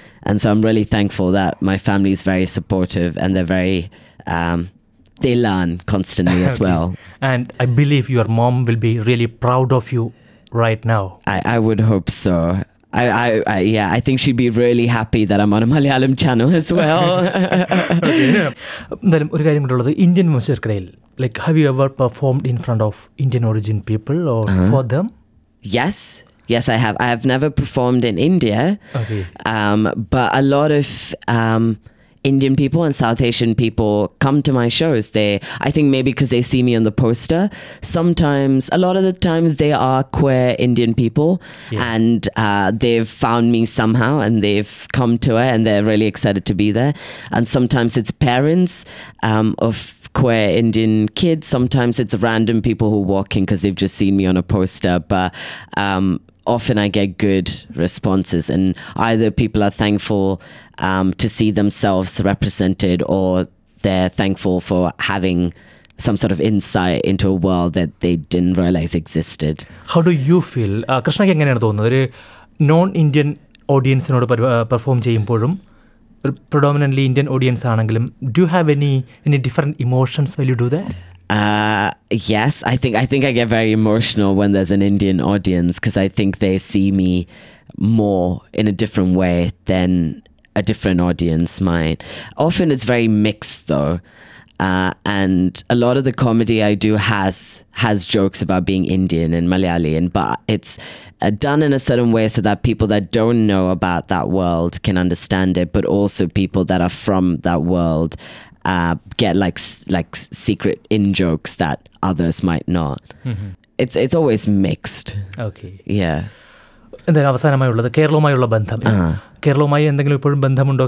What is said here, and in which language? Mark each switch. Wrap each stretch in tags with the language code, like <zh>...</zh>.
<en>And so I'm really thankful that my family is very supportive and they're very they learn constantly as well. And I believe your mom will be really proud of you right now. I would hope so. I think she'd be really happy that I'm on a Malayalam channel as well.</en> <ml>എന്തായാലും ഒരു കാര്യമുള്ളത്, Indian മനുഷ്യർക്കിടയിൽ</ml> <en>Like have you ever performed in front of Indian origin people or for them? Yes. Yes, I have. I have never performed in India. Okay. But a lot of Indian people and South Asian people come to my shows. I think maybe because they see me on the poster. Sometimes, a lot of the times, they are queer Indian people, and they've found me somehow and they've come to it and they're really excited to be there. And sometimes it's parents of queer Indian kids. Sometimes it's random people who walk in because they've just seen me on a poster. But often I get good responses, and either people are thankful to see themselves represented, or they're thankful for having some sort of insight into a world that they didn't realize existed. How do you feel, Krishna?</en> <ml>എങ്ങനെയാണ് തോന്നുന്നത്, ഒരു non Indian ഓഡിയൻസിനോട് perform ചെയ്യുമ്പോഴും പ്രൊഡോമിനന്റ്ലി Indian audience ആണെങ്കിലും,</ml> <en>Do you have any different emotions will you do that? Yes, I think I get very emotional when there's an Indian audience, because I think they see me more in a different way than a different audience might. Often it's very mixed though. And a lot of the comedy I do has jokes about being Indian and Malayali, but it's done in a certain way so that people that don't know about that world can understand it, but also people that are from that world get like secret in jokes that others might not. Mm-hmm. It's always mixed. Okay. Yeah.</en> <ml>എന്തായാലും അവസാനമായുള്ളത്, കേരളവുമായുള്ള ബന്ധം, കേരളവുമായി എന്തെങ്കിലും ഇപ്പോഴും ബന്ധമുണ്ടോ?</ml>